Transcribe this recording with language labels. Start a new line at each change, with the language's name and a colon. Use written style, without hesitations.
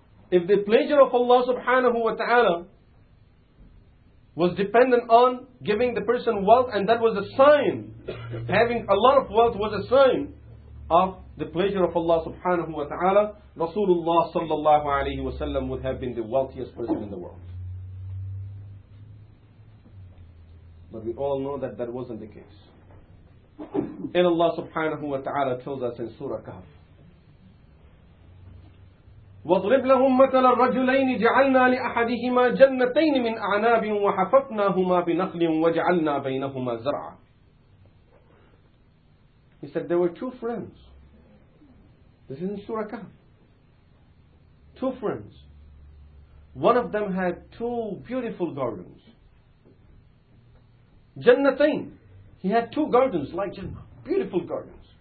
English: If the pleasure of Allah subhanahu wa ta'ala was dependent on giving the person wealth, and that was a sign, having a lot of wealth was a sign of the pleasure of Allah subhanahu wa ta'ala, Rasulullah sallallahu alayhi wa sallam would have been the wealthiest person in the world. But we all know that that wasn't the case. And Allah subhanahu wa ta'ala tells us in Surah Kahf,
Arabic: وَاضْرِبْ لَهُمْ مَثَلَ الرَّجُلَيْنِ جَعَلْنَا لِأَحَدِهِمَا جَنَّتَيْنِ مِنْ أَعْنَابٍ وَحَفَفْنَاهُمَا بِنَخْلٍ وَجَعَلْنَا بَيْنَهُمَا زَرْعًا.
English: He said there were two friends. This is in Surah Kahf. Two friends. One of them had two beautiful gardens.
Arabic: جَنَّتَيْن.
English: He had two gardens like Jannah. Beautiful gardens.